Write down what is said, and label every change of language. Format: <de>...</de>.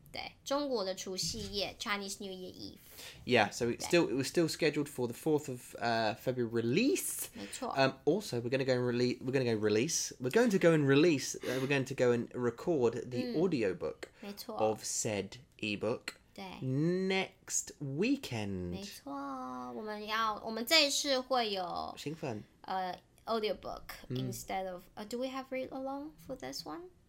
<zh>对，中国的除夕夜,</zh> <en>Chinese New Year Eve. Yeah, so it was still scheduled for the 4th of February release.</en> <zh>没错.</zh> <en>Also, we're going to record the audiobook of said ebook. Next weekend.</en> <zh>没错，我们这一次会有兴奋。</zh> <en>Audiobook instead of. Do we have read along for this one?</en>